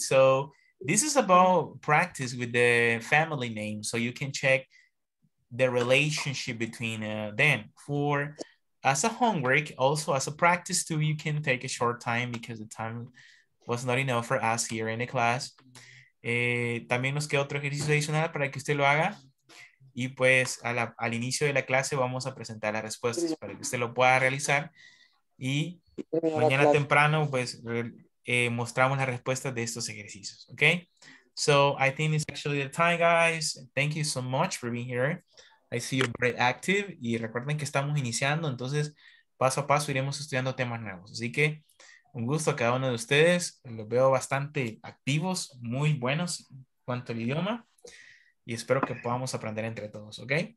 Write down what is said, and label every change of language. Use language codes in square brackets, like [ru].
[en] So this is about practice with the family name. So you can check the relationship between them for... as a homework, also as a practice too, you can take a short time because the time was not enough for us here in the class. [es] También nos queda otro ejercicio adicional para que usted lo haga. Y pues al inicio de la clase vamos a presentar las respuestas para que usted lo pueda realizar. Y mañana temprano, pues, mostramos la respuesta de estos ejercicios, ¿ok? [en] So, I think it's actually the time, guys. Thank you so much for being here. I see you very active. [es] Y recuerden que estamos iniciando, entonces, paso a paso iremos estudiando temas nuevos. Así que, un gusto a cada uno de ustedes. Los veo bastante activos, muy buenos en cuanto al idioma. Y espero que podamos aprender entre todos, ¿ok?